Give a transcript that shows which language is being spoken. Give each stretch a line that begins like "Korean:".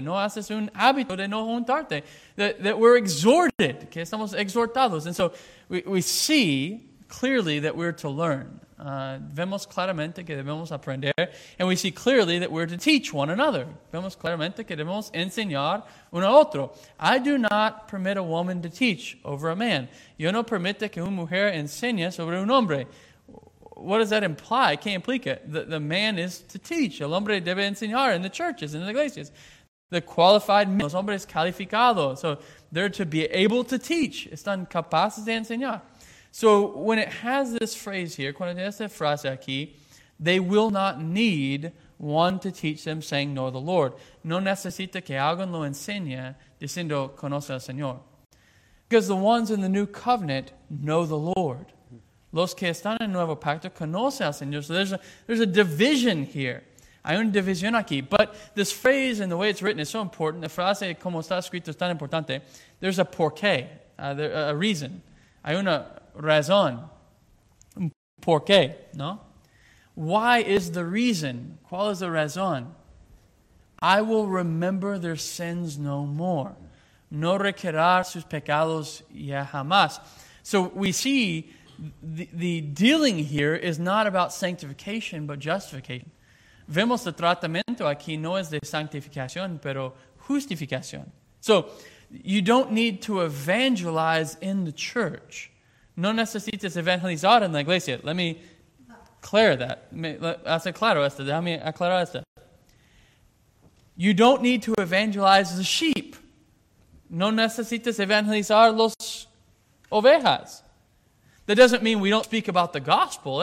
Spanish: No haces un hábito de no juntarte.
English: That we're exhorted,
Spanish: que estamos exhortados.
English: And so we see clearly that we're to learn.
Spanish: Vemos claramente que debemos aprender,
English: and we see clearly that we're to teach one another.
Spanish: Vemos claramente que debemos enseñar uno a otro.
English: I do not permit a woman to teach over a man.
Spanish: Yo no permito que una mujer enseñe sobre un hombre.
English: What does that imply?
Spanish: ¿Qué implica?
English: The man is to teach.
Spanish: El hombre debe enseñar
English: in the churches, in the
Spanish: iglesias.
English: The qualified men,
Spanish: los hombres calificados.
English: So they're to be able to teach.
Spanish: Están capaces de enseñar.
English: So when it has this phrase here,
Spanish: cuando tiene esta frase aquí,
English: they will not need one to teach them saying, know the Lord.
Spanish: No necesita que alguien lo enseñe diciendo, conoce al Señor.
English: Because the ones in the new covenant know the Lord.
Spanish: Los que están en Nuevo Pacto conocen al Señor.
English: So there's a division here.
Spanish: Hay una división aquí.
English: But this phrase and the way it's written is so important. The
Spanish: frase como está escrito es tan importante.
English: There's a porqué, a reason.
Spanish: Hay una razón. ¿Por qué? ¿No?
English: Why is the reason?
Spanish: ¿Cuál es la razón?
English: I will remember their sins no more.
Spanish: No recordar sus pecados ya jamás.
English: So we see the dealing here is not about sanctification, but justification.
Spanish: Vemos el tratamiento aquí no es de santificación, pero justificación.
English: So you don't need to evangelize in the church.
Spanish: No necesitas evangelizar en la iglesia.
English: Let me clear that.
Spanish: Hace claro esto. Déjame aclarar esto.
English: You don't need to evangelize the sheep.
Spanish: No necesitas evangelizar los ovejas.
English: That doesn't mean we don't speak about the gospel.